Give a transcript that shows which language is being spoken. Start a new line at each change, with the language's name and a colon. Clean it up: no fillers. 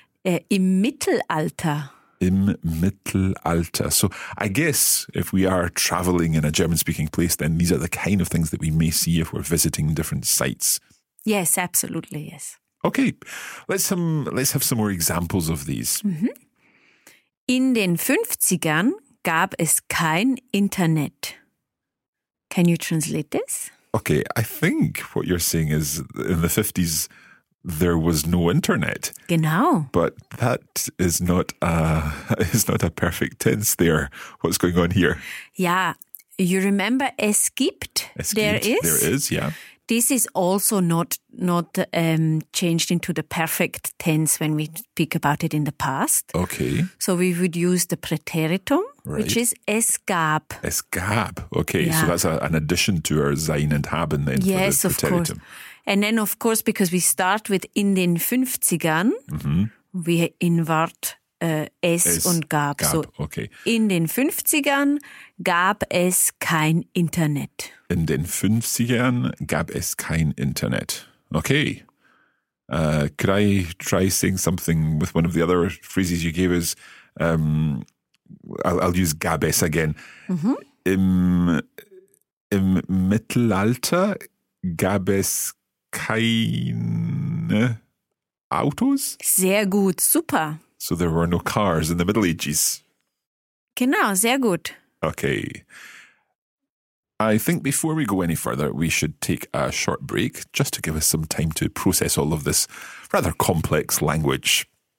German: Im Mittelalter. Im Mittelalter.
English: So I guess if we are traveling in a German-speaking place, then these are the kind of things that we may see if we're visiting different sites. Yes, absolutely, yes. Okay, let's have some more examples of these. Mm-hmm.
German: In den 50ern gab es kein Internet.
English: Can you translate this? Okay, I think what you're saying is in the 50s there was no internet.
German: Genau.
English: But that is not a perfect tense there. What's going on here? Yeah. You remember es gibt? Es there gibt, is. There is, yeah. This is also not changed into the perfect tense when we speak about it in the past. Okay. So we would use the preteritum, right, which is es gab. Es gab. Okay. Yeah. So that's an addition to our sein and haben then. Yes, for the preteritum. Of course. And then, of course, because we start with in den 50ern, mm-hmm, we invert es und gab. So okay.
German: In den 50ern gab es kein Internet. In den 50ern gab es kein Internet.
English: Okay. Could I try saying something with one of the other phrases you gave us? I'll use gab es again. Mm-hmm.
German: Im Mittelalter gab es keine Autos? Sehr gut, super.
English: So there were no cars in the Middle Ages.
German: Genau, sehr gut.
English: Okay. I think before we go any further, we should take a short break just to give us some time to process all of this rather complex language.